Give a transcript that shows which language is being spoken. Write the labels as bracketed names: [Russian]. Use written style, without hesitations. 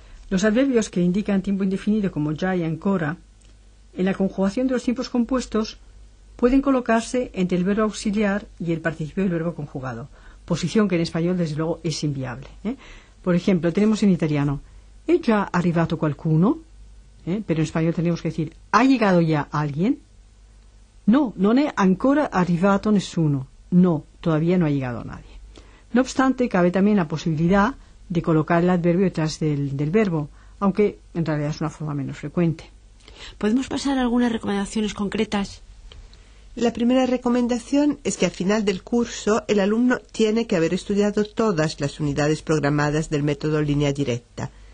[Spanish] Los adverbios que indican tiempo indefinido como ya y ancora, en la conjugación de los tiempos compuestos pueden colocarse entre el verbo auxiliar y el participio del verbo conjugado, posición que en español, desde luego, es inviable. Por ejemplo, tenemos en italiano, [Italian] ¿è già arrivato qualcuno? [Spanish] Pero en español tenemos que decir, ¿ha llegado ya alguien? [Italian] No, non è ancora arrivato nessuno. [Spanish] No, todavía no ha llegado nadie. No obstante, cabe también la posibilidad de colocar el adverbio detrás del verbo, aunque en realidad es una forma menos frecuente. ¿Podemos pasar a algunas recomendaciones concretas? La primera recomendación es que al final del curso el alumno tiene que haber estudiado todas las unidades programadas del método línea directa.